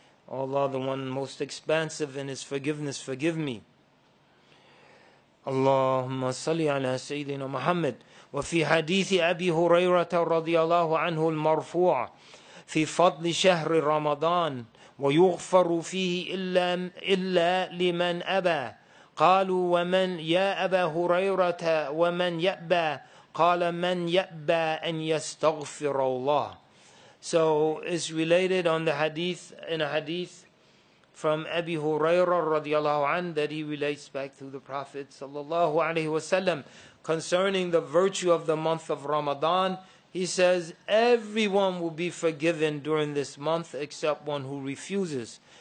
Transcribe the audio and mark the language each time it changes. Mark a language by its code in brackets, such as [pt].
[en] Allah, the one most expansive in His forgiveness, forgive me. [ar] اللهم صل على سيدنا محمد. وفي حديث أبي هريرة رضي الله عنه المرفوع في فضل شهر رمضان ويغفر فيه إلا لمن أبى، قالوا: ومن يا أبا هريرة ومن يأبى؟ قال: من يأبى أن يستغفر الله. [en] So it's related on the hadith, in a hadith from Abi Huraira radiallahu an, that he relates back to the Prophet sallallahu alaihi wasallam concerning the virtue of the month of Ramadan. He says, everyone will be forgiven during this month except one who refuses.